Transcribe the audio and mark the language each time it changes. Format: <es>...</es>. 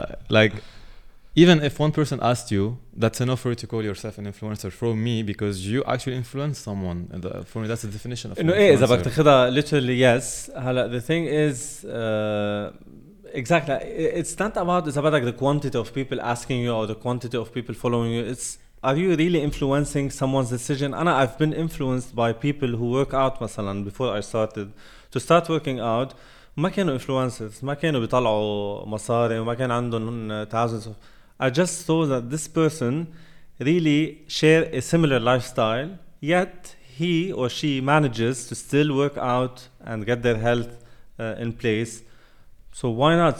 <en>Like even if one person asked you, that's enough for you to call yourself an influencer from me, because you actually influence someone. For me that's the definition of influencer.</en> <ar>إذا بدك تاخذها literally yes.</ar> <en>هلا the thing is exactly, it's not about, it's about like the quantity of people asking you or the quantity of people following you. It's, are you really influencing someone's decision? And I've been influenced by people who work out, مثلا, before I started to start working out, ما كانوا influencers, ما كانوا بيطلعوا مصاري وما كان عندهم thousands of, I just saw that this person really share a similar lifestyle, yet he or she manages to still work out and get their health in place. So why not?</en>